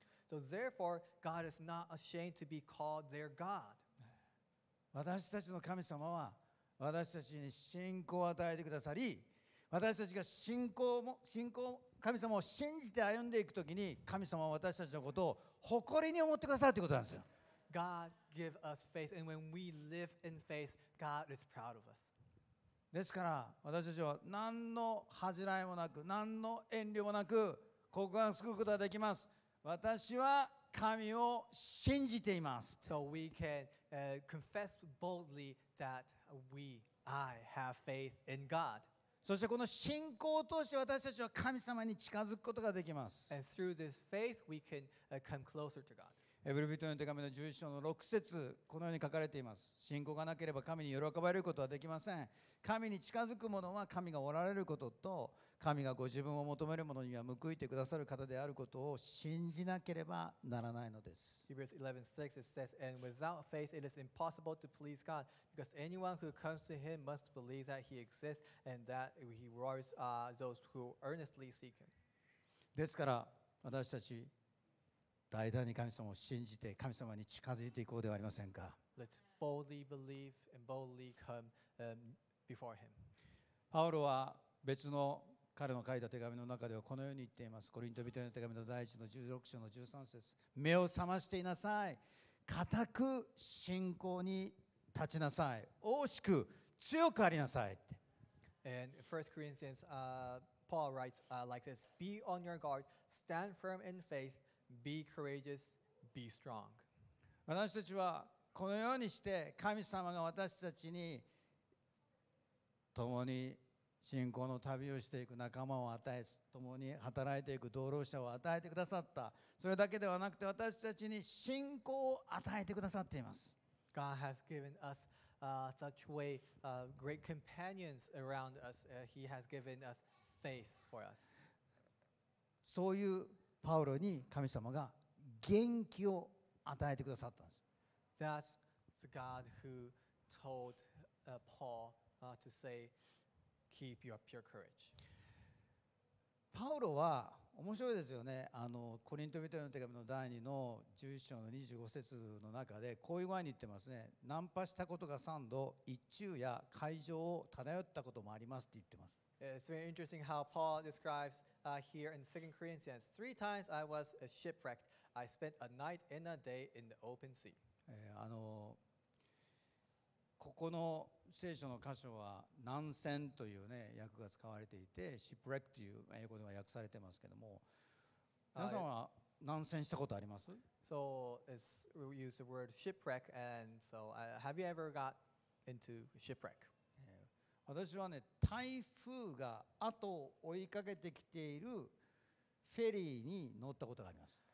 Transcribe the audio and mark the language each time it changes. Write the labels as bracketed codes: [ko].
[en] So therefore, God is not ashamed to be called their God. [ja] 私たちの神様は私たちに信仰を与えてくださり、私たちが信仰神様を信じて歩んでいくときに、神様は私たちのことを誇りに思ってくださるということなんですよ。 [en] God give us faith, and when we live in faith, God is proud of us. [ja] ですから私たちは何の恥じらいもなく、何の遠慮もなく告白することができます。私は神を信じています。 [en] So we can confess boldly that I have faith in God. [ja] そしてこの信仰を通して私たちは神様に近づくことができます。 [en] And through this faith we can come closer to God. [ja] エブリ人の手紙の11章の6節、このように書かれています。信仰がなければ神に喜ばれることはできません。神に近づく者は神がおられることと、神がご自分を求める者には報いてくださる方であることを信じなければならないのです。 [en] Hebrews 11:6 it says, And without faith it is impossible to please God, because anyone who comes to him must believe that he exists and that he rewards those who earnestly seek him. [ja] ですから私たち大胆に神様を信じて神様に近づいていこうではありませんか。 [en] Let's boldly believe and boldly come before him. [ja] パウロは別の彼の書いた手紙の中ではこのように言っています。コリント人への手紙の第一の16章の13節、目を覚ましていなさい、固く信仰に立ちなさい、大きく強くありなさいって。 [en] And First Corinthians, Paul writes like this: Be on your guard, stand firm in faith, be courageous, be strong. [ja] 私たちはこのようにして神様が私たちに共に信仰の旅をしていく仲間を与え、共に働いていく同労者を与えてくださった。それだけではなくて私たちに信仰を与えてくださっています。 [en] God has given us such way great companions around us. He has given us faith for us. [ja] そういうパウロに神様が元気を与えてくださったんです。 [en] That's the God who told Paul to say,Keep your pure courage. [ja] パウロは面白いですよね。あのコリント人への手紙の第2の11章の25節の中でこういう具合に言ってますね。ナンパしたことが3度、一昼夜会場を漂ったこともありますって言ってます。 [en] It's very interesting how Paul describes here in 2 Corinthians. Three times I was shipwrecked. I spent a night and a day in the open sea. [ja] あのここの聖書の箇所は難船という、ね、訳が使われていて shipwreck という英語では訳されてますけども、皆さんは難船したことあります？ [en] So it's used the word shipwreck and so have you ever got into shipwreck? [ja] 私はね、台風が後を追いかけてきているフェリーに乗ったことがあります。